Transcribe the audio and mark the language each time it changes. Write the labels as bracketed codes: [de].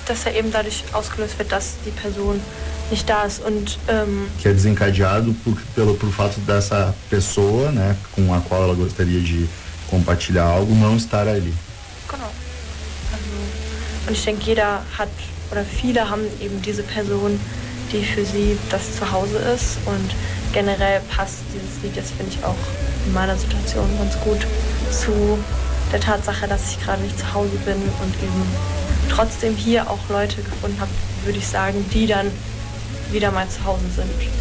[de] Dass er eben dadurch ausgelöst wird, dass die Person nicht da ist. Und, [pt] que é desencadeado por fato dessa pessoa, né? Com a qual ela gostaria de compartilhar algo, não estar ali. [de] Genau. Und ich denke, jeder hat, oder viele haben eben diese Person, die für sie das Zuhause ist. Und generell passt dieses Lied jetzt, finde ich, auch in meiner Situation ganz gut zu der Tatsache, dass ich gerade nicht zu Hause bin und eben trotzdem hier auch Leute gefunden habe, würde ich sagen, die dann wieder mal zu Hause sind.